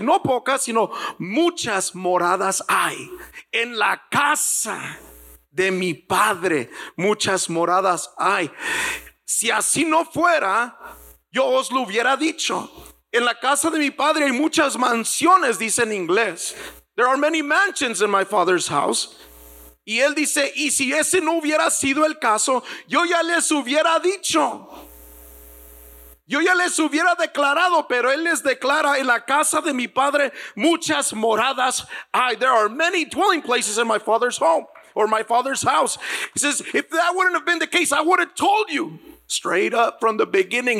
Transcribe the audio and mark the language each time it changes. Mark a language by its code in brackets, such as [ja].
[es] No pocas, sino muchas moradas hay. En la casa de mi Padre muchas moradas hay. Si así no fuera, yo os lo hubiera dicho. En la casa de mi Padre hay muchas mansiones, dice en inglés. [en] There are many mansions in my Father's house. [es] Y él dice: y si ese no hubiera sido el caso, yo ya les hubiera dicho. Yo ya les hubiera declarado, pero él les declara: en la casa de mi Padre muchas moradas hay. [en] There are many dwelling places in my Father's home, or my Father's house. He says, if that wouldn't have been the case, I would have told you straight up from the beginning.